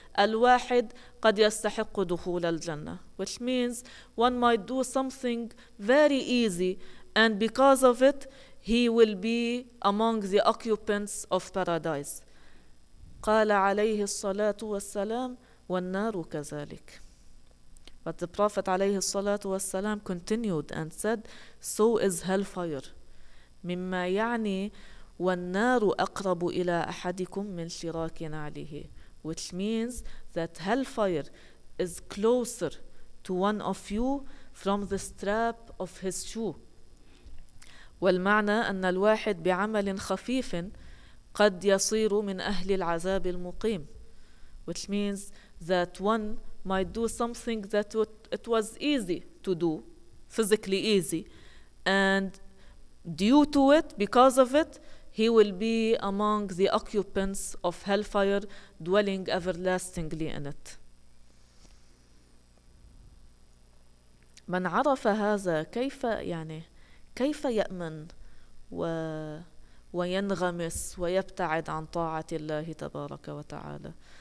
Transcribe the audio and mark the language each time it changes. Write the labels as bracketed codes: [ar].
[ar] الواحد قد يستحق دخول الجنة. [en] Which means one might do something very easy and because of it he will be among the occupants of paradise. [ar] قال عليه الصلاة والسلام والنار كذلك. [en] But the Prophet [ar] عليه الصلاة والسلام [en] continued and said, so is hellfire. [ar] مما يعني والنار أقرب إلى أحدكم من شراك نعله. [en] Which means that hellfire is closer to one of you from the strap of his shoe. [ar] والمعنى أن الواحد بعمل خفيف قد يصير من أهل العذاب المقيم. [en] Which means that one might do something that it was easy to do, physically easy, and due to it, because of it, he will be among the occupants of hellfire, dwelling everlastingly in it. [ar] من عرف هذا كيف يعني كيف يأمن وينغمس ويبتعد عن طاعة الله تبارك وتعالى.